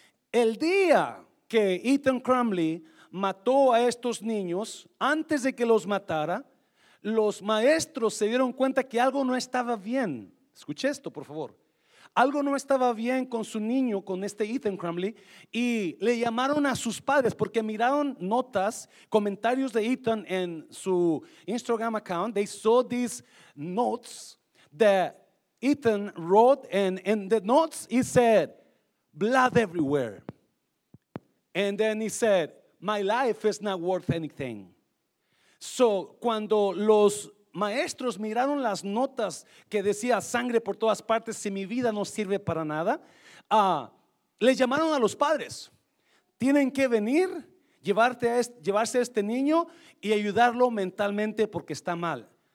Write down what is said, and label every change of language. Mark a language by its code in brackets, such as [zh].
[es] El día que Ethan Crumbly mató a estos niños, antes de que los matara, los maestros se dieron cuenta que algo no estaba bien. Escuche esto, por favor. Algo no estaba bien con su niño, con este Ethan Crumbly, y le llamaron a sus padres porque miraron notas, comentarios de Ethan en su Instagram account. [en] They saw these notes that Ethan wrote, and in the notes he said, blood everywhere. And then he said, my life is not worth anything. [es] So, cuando los maestros miraron las notas que decía sangre por todas partes, si mi vida no sirve para nada, le llamaron a los padres. Tienen que venir, llevarse a este niño y ayudarlo mentalmente porque está mal.